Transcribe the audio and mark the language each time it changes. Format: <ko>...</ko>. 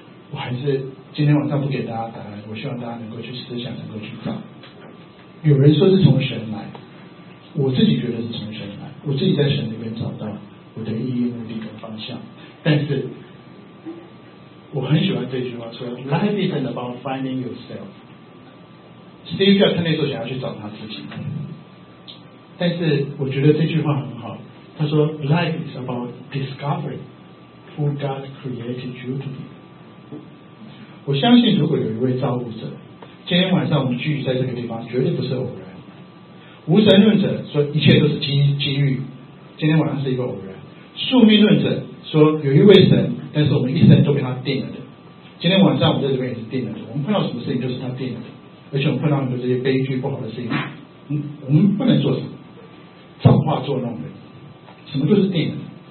<zh>我还是今天晚上不给大家答案，我希望大家能够去思想，能够去找。有人说是从神来，我自己觉得是从神来，我自己在神里面找到我的意义、目的跟方向。但是我很喜欢这句话说</zh> <en>Life isn't about finding yourself。</en> <zh>Steve Jobs 那时候想要去找他自己，但是我觉得这句话很好，他说</zh> <en>Life is about discovering who God created you to be。</en> <zh>我相信如果有一位造物者，今天晚上我们聚集在这个地方绝对不是偶然。无神论者说一切都是机遇，今天晚上是一个偶然。宿命论者说有一位神，但是我们一生都被他定了的，今天晚上我们在这边也是定了的，我们碰到什么事情就是他定了的，而且我们碰到很多这些悲剧不好的事情，我们不能做什么造化作弄的，什么都是定了的。</zh>